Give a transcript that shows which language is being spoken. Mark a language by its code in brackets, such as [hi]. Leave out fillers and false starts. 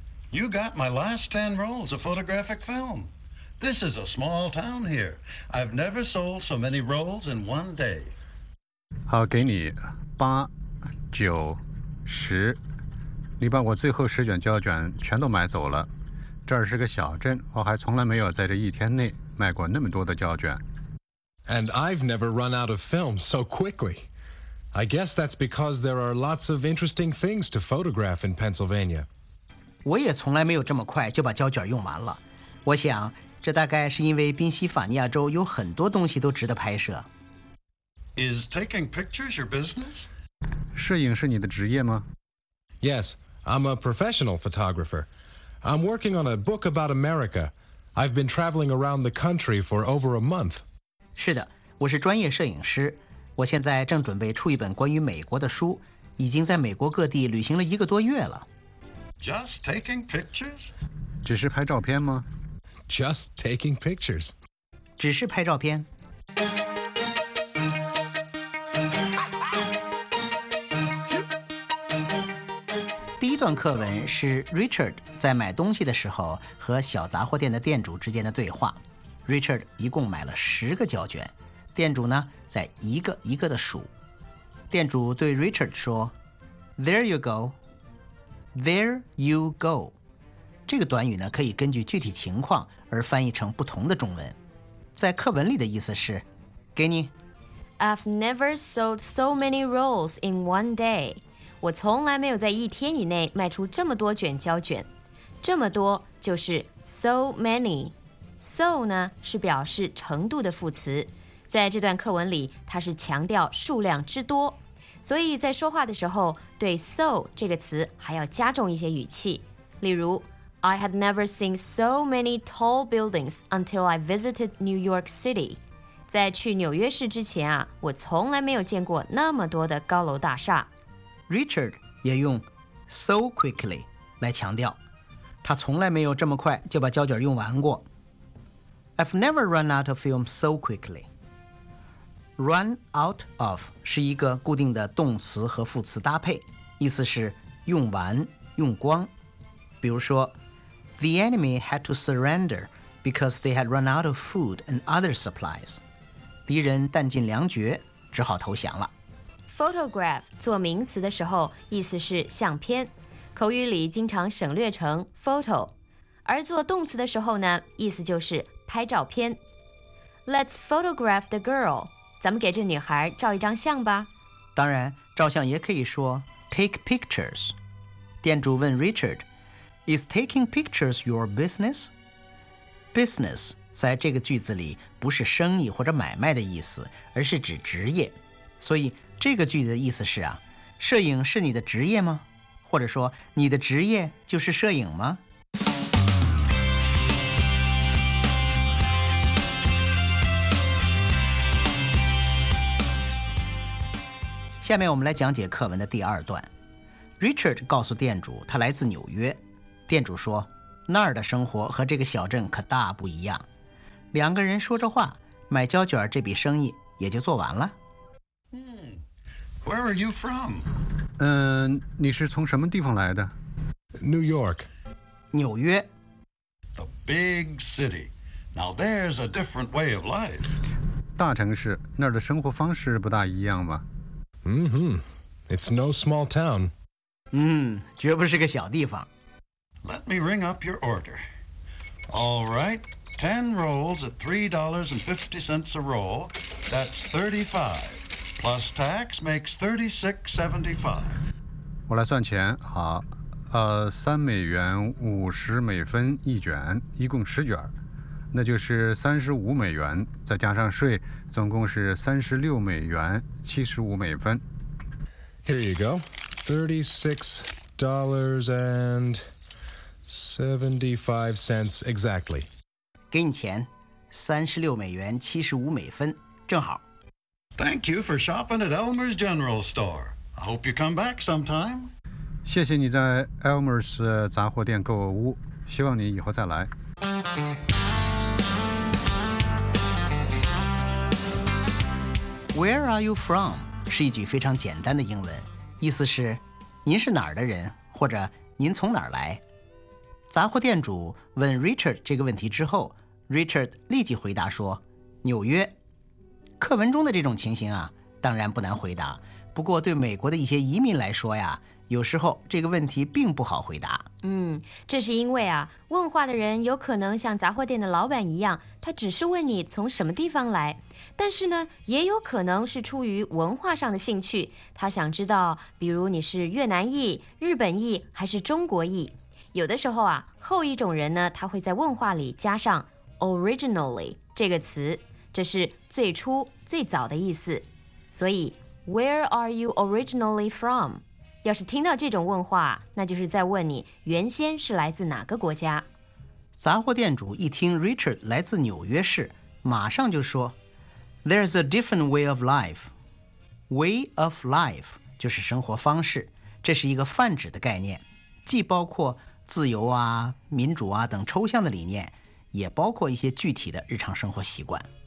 [en] You got my last 10 rolls of photographic film. This is a small town here. I've never sold so many rolls in one day. [zh] 好，给你八、九、十。你把我最后十卷胶卷全都买走了。这儿是个小镇，我还从来没有在这一天内卖过那么多的胶卷。 [en] And I've never run out of film so quickly. I guess that's because there are lots of interesting things to photograph in Pennsylvania. [zh] 我也从来没有这么快就把胶卷用完了。我想，这大概是因为宾夕法尼亚州有很多东西都值得拍摄。 [en] Is taking pictures your business? [zh] 摄影是你的职业吗？ [en] Yes, I'm a professional photographer. I'm working on a book about America. I've been traveling around the country for over a month. [zh] 是的，我是专业摄影师，我现在正准备出一本关于美国的书，已经在美国各地旅行了一个多月了。 [en] Just taking pictures? [zh] 只是拍照片吗？ [en] Just taking pictures. [zh] 只是拍照片。第一段课文是 Richard 在买东西的时候和小杂货店的店主之间的对话。 Richard 一共买了十个胶卷，店主呢在一个一个的数。店主对 Richard 说 [en] ：“There you go, there you go。” [zh] 这个短语呢可以根据具体情况而翻译成不同的中文。在课文里的意思是：“给你。 [en] ”I've never sold so many rolls in one day。 [zh] 我从来没有在一天以内卖出这么多卷胶卷。这么多就是 so many。So 呢是表示程度的副词，在这段课文里它是强调数量之多，所以在说话的时候对 so 这个词还要加重一些语气。例如 [en] I had never seen so many tall buildings until I visited New York City. [zh] 在去纽约市之前啊，我从来没有见过那么多的高楼大厦。 Richard 也用 so quickly 来强调他从来没有这么快就把胶卷用完过。 [en] I've never run out of film so quickly. [zh] Run out of 是一个固定的动词和副词搭配，意思是用完、用光。比如说 [en] ，The enemy had to surrender because they had run out of food and other supplies. [zh] 敌人弹尽粮绝，只好投降了。 Photograph 做名词的时候，意思是相片，口语里经常省略成 photo， 而做动词的时候呢，意思就是。拍照片 [en] Let's photograph the girl [zh] 咱们给这女孩照一张相吧当然照相也可以说 [en] Take pictures [zh] 店主问 Richard [en] Is taking pictures your business? [zh] Business 在这个句子里不是生意或者买卖的意思而是指职业所以这个句子的意思是啊，摄影是你的职业吗或者说你的职业就是摄影吗下面我们来讲解课文的第二段。 Richard 告诉店主他来自纽约。店主说那儿的生活和这个小镇可大不一样。两个人说着话买胶卷这笔生意也就做完了。 [en] Where are you from? [zh] 你是从什么地方来的？ [en] New York. [zh] 纽约。 [en] The big city. Now there's a different way of life. [zh] 大城市，那儿的生活方式不大一样吧？ [en] Mm-hmm. It's no small town. [zh] 绝不是个小地方。 [en] Let me ring up your order. All right. 10 rolls at $3.50 a roll. That's 35. Plus tax makes $36.75. [zh] 我来算钱，好，$3五十美分一卷，一共十卷，那就是$35，再加上税，总共是$36.75。 [en] Here you go, $36.75 exactly. [zh] 给你钱，$36.75，正好。 [en] Thank you for shopping at Elmer's General Store. I hope you come back sometime. [zh] 谢谢你在 Elmer's 杂货店购物，希望你以后再来。 [en] Where are you from? [zh] 是一句非常简单的英文，意思是您是哪儿的人，或者您从哪儿来。杂货店主问 Richard 这个问题之后， Richard 立即回答说，纽约。课文中的这种情形啊，当然不难回答，不过对美国的一些移民来说呀，有时候这个问题并不好回答。这是因为啊，问话的人有可能像杂货店的老板一样，他只是问你从什么地方来，但是呢，也有可能是出于文化上的兴趣，他想知道比如你是越南裔、日本裔还是中国裔。有的时候啊，后一种人呢，他会在问话里加上 originally 这个词，这是最初最早的意思。所以 [en] Where are you originally from? [zh] 要是听到这种问话，那就是在问你原先是来自哪个国家。杂货店主一听 Richard 来自纽约市，马上就说 [en] There's a different way of life. [zh] Way of life 就是生活方式，这是一个泛指的概念，既包括自由啊、民主啊等抽象的理念，也包括一些具体的日常生活习惯。